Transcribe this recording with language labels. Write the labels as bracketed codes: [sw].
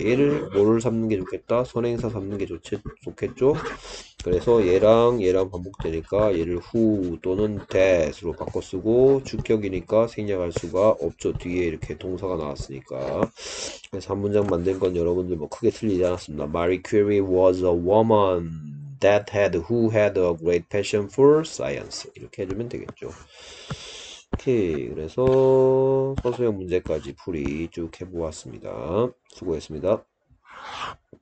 [ko] 얘를 뭐를 삼는 게 좋겠다? 선행사 삼는 게 좋겠죠? 그래서 얘랑 반복되니까 얘를 who 또는 that로 바꿔 쓰고 주격이니까 생략할 수가 없죠. 뒤에 이렇게 동사가 나왔으니까. 그래서 한 문장 만든 건 여러분들 뭐 크게 틀리지 않았습니다. [en] Marie Curie was a woman that had who had a great passion for science. [ko] 이렇게 해주면 되겠죠. 오케이. 그래서 서술형 문제까지 풀이 쭉 해보았습니다. 수고했습니다.